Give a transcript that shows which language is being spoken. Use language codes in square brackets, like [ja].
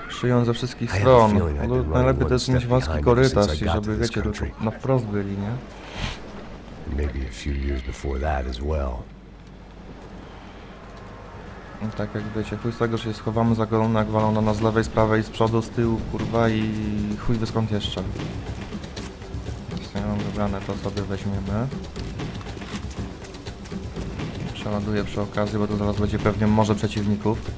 [pl] Szyją ze wszystkich stron. Najlepiej też mieć wąski korytarz i żeby, wiecie, na wprost byli, nie? [en] Maybe a few years before that as well. [pl] Tak jak wiecie, chuj z tego, że się schowamy za kolumnę, jak walą na nas z lewej, z prawej, z przodu, z tyłu, kurwa i chuj wy skąd jeszcze. Więc ja mam wybrane, to sobie weźmiemy. Przeładuję przy okazji, bo to zaraz będzie pewnie morze przeciwników.